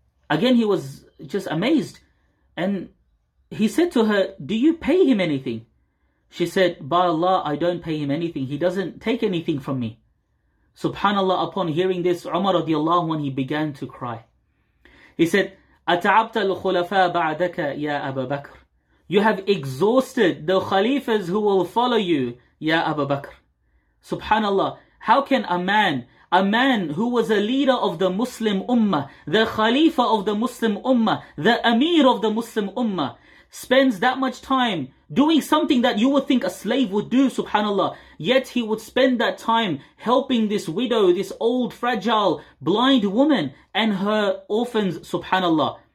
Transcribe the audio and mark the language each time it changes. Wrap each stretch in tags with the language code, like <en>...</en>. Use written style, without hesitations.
<en>Again, he was just amazed. And he said to her, "Do you pay him anything?" She said, "By Allah, I don't pay him anything. He doesn't take anything from me." Subhanallah, upon hearing this, Umar radiallahu anhu, he began to cry. He said,</en> <ar>"أتعبت الخلفاء بعدك يا أبا بكر."</ar> <en>You have exhausted the khalifas who will follow you, ya Abu Bakr. Subhanallah, how can a man who was a leader of the Muslim Ummah, the Khalifa of the Muslim Ummah, the Amir of the Muslim Ummah, spends that much time doing something that you would think a slave would do, subhanallah, yet he would spend that time helping this widow, this old, fragile, blind woman and her orphans, subhanallah.</en>